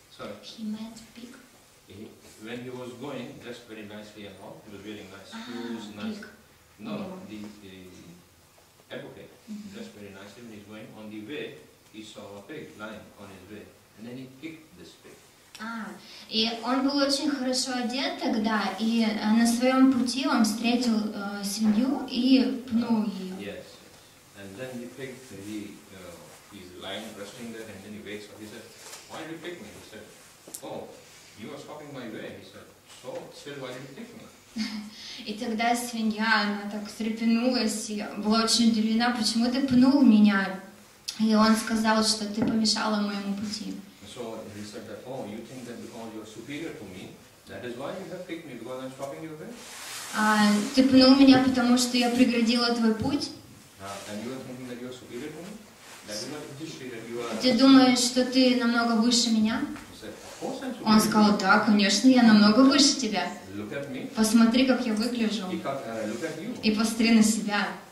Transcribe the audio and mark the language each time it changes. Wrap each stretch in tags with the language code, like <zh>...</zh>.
<en>When he was going, dressed very nicely and all, he was wearing nice shoes, nice. The advocate, dressed very nicely when he's going. On the way, he saw a pig lying on his way, and then he kicked this pig.</en> <ru>И он был очень хорошо одет тогда, и на своем пути он встретил свинью и пнул ее.</ru> <en>Yes, and then the pig, he's lying, resting there, and then he wakes up. He says, why did you pick me? He said, oh, you were stopping my way. He said, so, still, why did you pick me?</en> <ru>И тогда свинья, она так встрепенулась, и была очень удивлена, почему ты пнул меня? И он сказал, что ты помешала моему пути.</ru> <en>So he said that, oh, you think that because you're superior to me, that is why you have picked me, because I'm stopping your way?</en> <ru>Ты пнул меня, потому что я преградила твой путь?</ru> <en>And you are thinking that you're superior to me? That is not the issue that you are...</en> <ru>Ты думаешь, что ты намного выше меня? Он сказал, да, конечно, я намного выше тебя. Посмотри, как я выгляжу. И посмотри на себя.</ru>